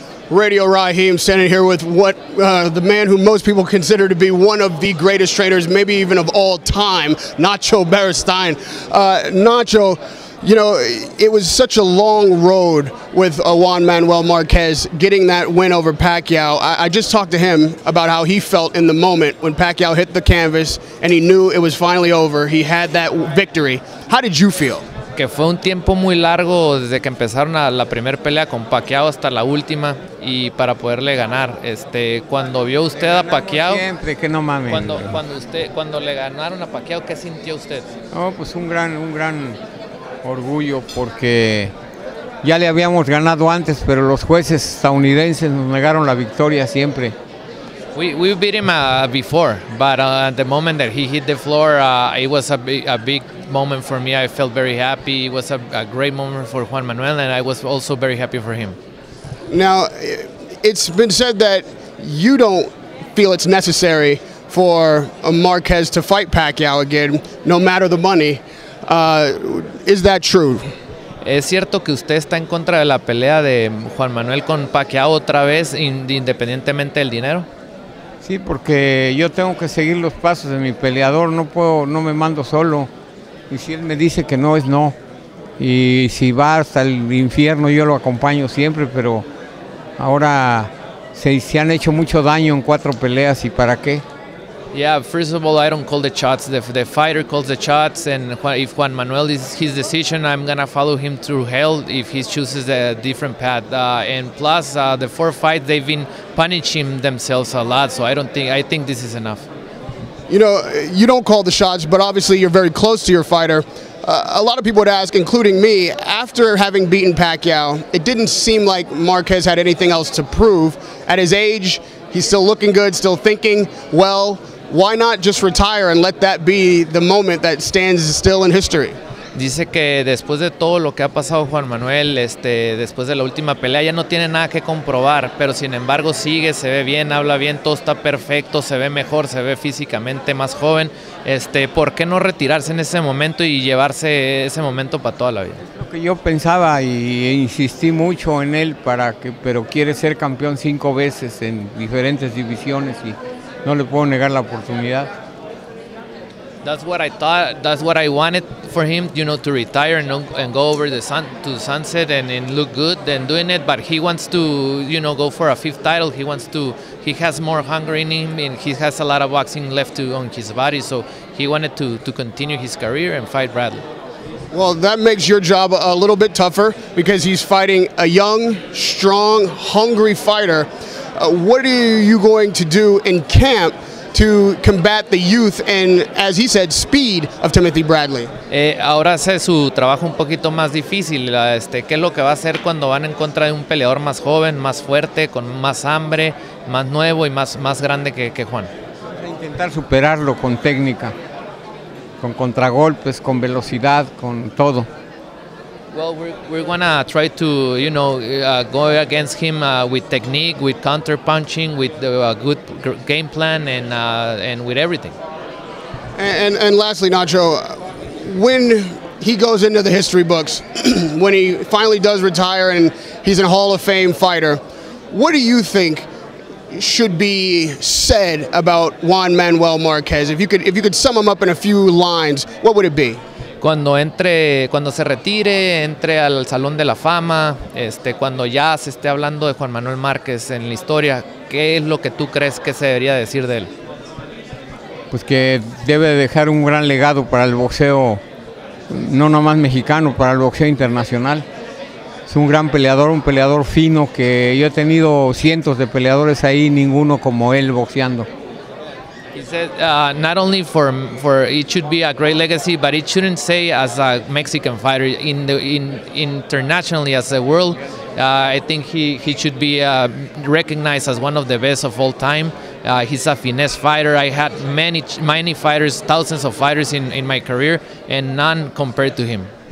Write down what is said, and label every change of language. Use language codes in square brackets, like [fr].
[en] Radio Rahim, standing here with what the man who most people consider to be one of the greatest trainers, maybe even of all time, Nacho Beristain. Nacho, you know, it was such a long road with Juan Manuel Marquez getting that win over Pacquiao. I just talked to him about how he felt in the moment when Pacquiao hit the canvas and he knew it was finally over. He had that victory. How did you feel? [es] Que fue un tiempo muy largo desde que empezaron la primera pelea con Pacquiao hasta la última y para poderle ganar. Cuando vio usted a Pacquiao, siempre, que no mames. Cuando le ganaron a Pacquiao, ¿qué sintió usted? Oh, pues un gran orgullo porque ya le habíamos ganado antes, pero los jueces estadounidenses nos negaron la victoria siempre. [en] We beat him before, but at the moment that he hit the floor, it was a big moment for me. I felt very happy. It was a great moment for Juan Manuel, and I was also very happy for him. Now, it's been said that you don't feel it's necessary for Marquez to fight Pacquiao again, no matter the money. Is that true? [es] Es cierto que usted está en contra de la pelea de Juan Manuel con Pacquiao otra vez, independientemente del dinero. Sí, porque yo tengo que seguir los pasos de mi peleador. No puedo, no me mando solo. Y si él me dice que no, es no. Y si va hasta el infierno, yo lo acompaño siempre, pero ahora se han hecho mucho daño en cuatro peleas, ¿y para qué? [en] Yeah, first of all, I don't call the shots. The fighter calls the shots, and if Juan Manuel is his decision, I'm going to follow him through hell if he chooses a different path. And plus, the four fights, they've been punishing themselves a lot, so I think this is enough. You know, you don't call the shots, but obviously you're very close to your fighter. A lot of people would ask, including me, after having beaten Pacquiao, it didn't seem like Marquez had anything else to prove. At his age, he's still looking good, still thinking well. Why not just retire and let that be the moment that stands still in history? [es] Dice que después de todo lo que ha pasado Juan Manuel, después de la última pelea, ya no tiene nada que comprobar, pero sin embargo sigue, se ve bien, habla bien, todo está perfecto, se ve mejor, se ve físicamente más joven. ¿Por qué no retirarse en ese momento y llevarse ese momento para toda la vida? Lo que yo pensaba y insistí mucho en él para que, pero quiere ser campeón 5 veces en diferentes divisiones y no le puedo negar la oportunidad. [en] That's what I thought. That's what I wanted for him, you know, to retire and go over the sunset and look good than doing it. But he wants to, you know, go for a fifth title. He has more hunger in him, and he has a lot of boxing left on his body. So he wanted to continue his career and fight Bradley. Well, that makes your job a little bit tougher because he's fighting a young, strong, hungry fighter. What are you going to do in camp to combat the youth and, as he said, speed of Timothy Bradley? [es] Ahora hace su trabajo un poquito más difícil. ¿Qué es lo que va a hacer cuando van en contra de un peleador más joven, más fuerte, con más hambre, más nuevo y más grande que Juan? Va a intentar superarlo con técnica, con contragolpes, con velocidad, con todo. [en] Well, we're gonna try to, you know, go against him with technique, with counter punching, with a good game plan, and with everything. And lastly, Nacho, when he goes into the history books, when he finally does retire and he's a Hall of Fame fighter, what do you think should be said about Juan Manuel Marquez? If you could sum him up in a few lines, what would it be? [es] Cuando se retire, entre al Salón de la Fama, cuando ya se esté hablando de Juan Manuel Márquez en la historia, ¿qué es lo que tú crees que se debería decir de él? Pues que debe dejar un gran legado para el boxeo, no nomás mexicano, para el boxeo internacional. Es un gran peleador, un peleador fino, que yo he tenido cientos de peleadores ahí, ninguno como él boxeando. [en] He said, not only for it should be a great legacy, but it shouldn't say as a Mexican fighter internationally as a world. I think he should be recognized as one of the best of all time. He's a finesse fighter. I had many fighters, thousands of fighters in my career, and none compared to him.